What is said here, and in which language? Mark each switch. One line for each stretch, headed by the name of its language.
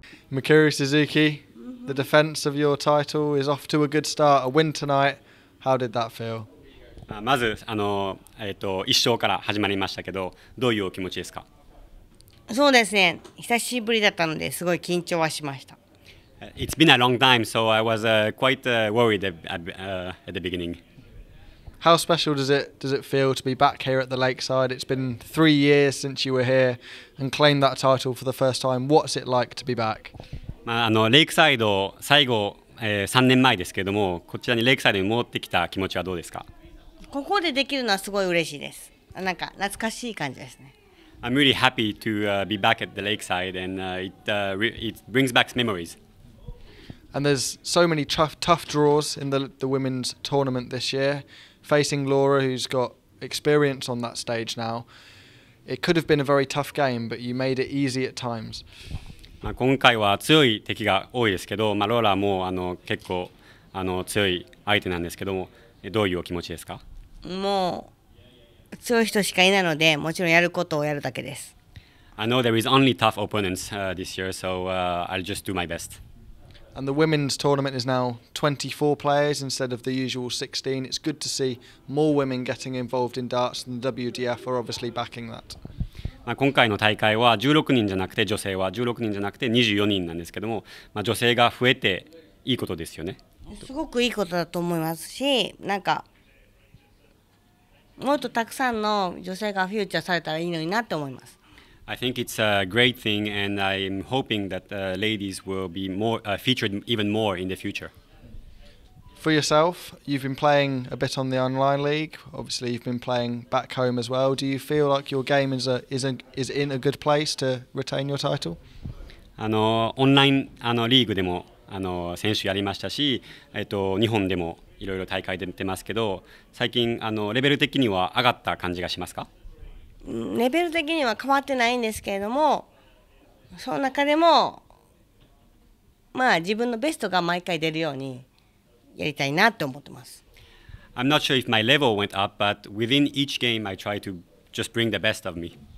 English: Mikuru Suzuki, the defence of your title is off to a good start. A win tonight. How did that feel?
Japanese: まず、1勝から始まりましたけど、どういうお気持ちですか？そうですね。久しぶりだったので、すごい緊張はしました。
English: It's been a long time, so I was quite worried at the beginning. How special does it feel to be back here at the Lakeside? It's been 3 years since you were here and claimed that title for the first time. What's it like to be back?
Japanese: まあ、レイクサイド、最後、3年前ですけれども、こちらにレイクサイドに戻ってきた気持ちはどうですか？ここでできるのはすごい嬉しいです。なんか懐かしい感じですね。
English: I'm really happy to be back at the Lakeside and it brings back memories. And there's so many tough draws in the women's tournament this year. Facing Laura, who's got experience on that stage now. It could have been a very tough game, but you made it easy at times.
Japanese: まあ今回は強い敵が多いですけど、まあローラも結構強い相手なんですけども、どういうお気持ちですか？もう強い人しかいないので、もちろんやることをやるだけです。
English: I know there is only tough opponents this year, so I'll just do my best. And the women's tournament is now 24 players instead of the usual 16. It's good to see more women getting involved in darts, and WDF are obviously backing that.
Japanese: まあ今回の大会は16人じゃなくて、女性は16人じゃなくて24人なんですけども、まあ、女性が増えていいことですよね。すごくいいことだと思いますし、なんかもっとたくさんの女性がフューチャーされたらいいのになって思います。
English: I think it's a great thing and I'm hoping that ladies will be more featured even more in the future. For yourself, you've been playing a bit on the online league. Obviously, you've been playing back home as well. Do you feel like your game is in a good place to retain your title?
Japanese: オンラインリーグでも選手やりましたし、日本でもいろいろ大会で出てますけど、最近レベル的には上がった感じがしますか？レベル的には変わってないんですけれども、その中でもまあ自分のベストが毎回出るようにやりたいなと思ってます。
English: I'm not sure if my level went up, but within each game I try to just bring the best of me.